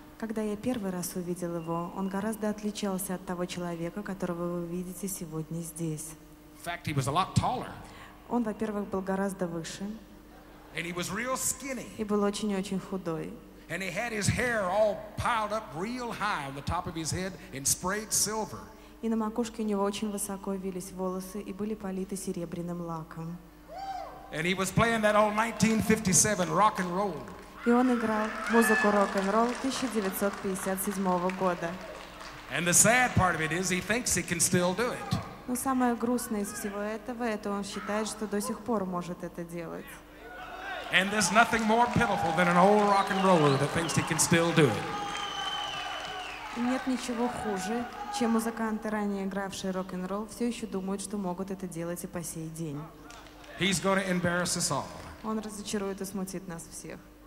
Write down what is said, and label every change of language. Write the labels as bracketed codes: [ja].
[ru] Когда я первый раз увидел его, он гораздо отличался от того человека, которого вы видите сегодня здесь. [en] In fact, he was a lot taller. [ru] Он, во-первых, был гораздо выше. [en] And he was real skinny. [ru] И был очень-очень худой. [en] And he had his hair all piled up real high on the top of his head and sprayed silver. [ru] И на макушке у него очень высоко вились волосы и были политы серебряным лаком. [en] And he was playing that old 1957 rock and roll. [ru] И он играл музыку рок-н-ролл 1957 года. [en] And the sad part of it is he thinks he can still do it. [ru] Но самое грустное из всего этого, это он считает, что до сих пор может это делать. [en] And there's nothing more pitiful than an old rock and roller that thinks he can still do it. [ru] Нет ничего хуже, чем музыканты, ранее игравшие рок-н-ролл, все еще думают, что могут это делать и по сей день. [en] He's going to embarrass us all. [ru] Он разочарует и смутит нас всех.